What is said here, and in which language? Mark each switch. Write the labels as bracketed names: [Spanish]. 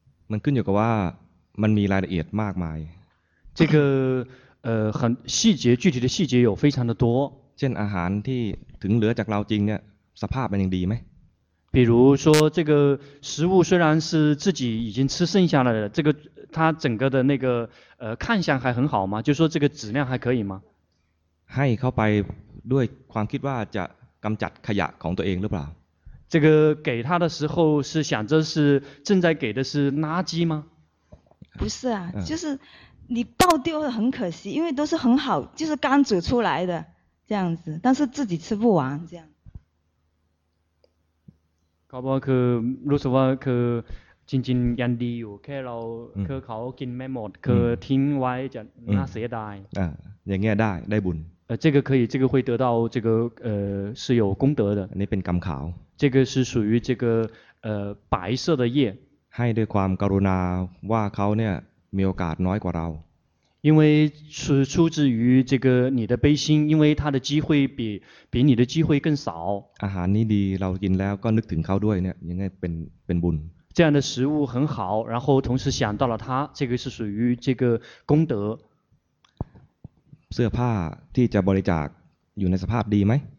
[Thai] มันขึ้นอยู่กับว่ามันมีรายละเอียดมากมาย [Chinese] 这个很细节具体的细节有非常的多 [Thai] เช่นอาหารที่ถึงเหลือจากเราจริงเนี่ยสภาพมันยังดีไหม [Chinese] 比如说这个食物虽然是自己已经吃剩下了这个它整个的那个看相还很好吗就说这个质量还可以吗 [Thai] ให้เข้าไปด้วยความคิดว่าจะกำจัดขยะของตัวเองหรือเปล่า [Chinese] 这个给他的时候是想着是正在给的是垃圾吗？不是啊，就是你倒丢了很可惜，因为都是很好，就是刚煮出来的这样子，但是自己吃不完这样。 [Thai] ก็บอกคือรู้สึกว่าคือจริงๆยังดีอยู่แค่เราคือเขากินไม่หมดคือทิ้งไว้จะน่าเสียดาย อย่างเงี้ยได้บุญ [Chinese] 这个可以，这个会得到这个是有功德的。 [Thai] นี่เป็นกรรมขาว [Chinese] 这个是属于这个白色的业。 [Thai] ให้ด้วยความกรุณาว่าเขาเนี่ยมีโอกาสน้อยกว่าเรา。 [Chinese] 因为是出自于这个你的悲心，因为他的机会比你的机会更少。 [Thai] อาหารนี้ดีเรากินแล้วก็นึกถึงเขาด้วยเนี่ยยังไงเป็นบุญ。 [Chinese] 这样的食物很好，然后同时想到了他，这个是属于这个功德。 [Thai] เสื้อผ้าที่จะบริจาคอยู่ในสภาพดีไหม